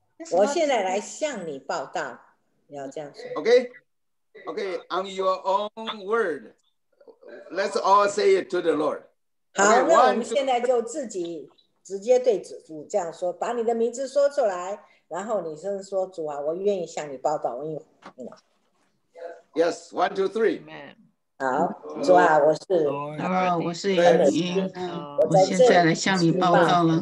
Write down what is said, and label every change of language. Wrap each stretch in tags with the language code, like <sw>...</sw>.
<zh>我现在来向你报道，你要这样说。</zh> <en>Okay, on your own word, let's all say it to the Lord.</en> <zh>好，那我们现在就自己直接对主这样说，把你的名字说出来，然后你先说主啊，我愿意向你报道，我愿意。</zh> <en>Yes, 1, 2, 3. Amen.</en> <zh>好，主啊，我是我是耶稣，我现在来向你报告了，</zh>